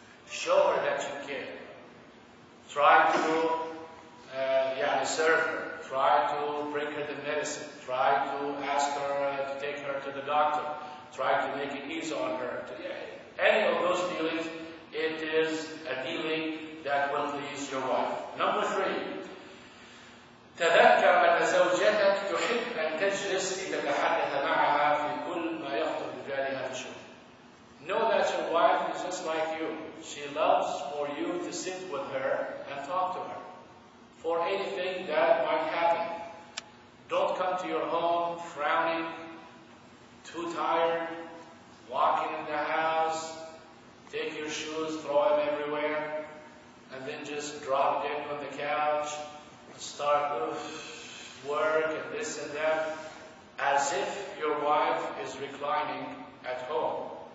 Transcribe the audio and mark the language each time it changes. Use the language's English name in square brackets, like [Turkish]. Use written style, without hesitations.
[English] Show her that you care. Try to serve her. Try to bring her the medicine. Try to ask her to take her to the doctor. Try to make it easy on her. Any of those feelings, it is a dealing that will please your wife. Number three, [Arabic] تذكر أن زوجتك تحب أن تجلس لتتحدث معها في كل ما يخطر ببالها في الشغل. [English] Know that your wife is just like you. She loves for you to sit with her and talk to her for anything that might happen. Don't come to your home frowning, too tired, walking in the house, take your shoes, throw them everywhere, and then just drop down on the couch, start work and this and that, as if your wife is reclining at home.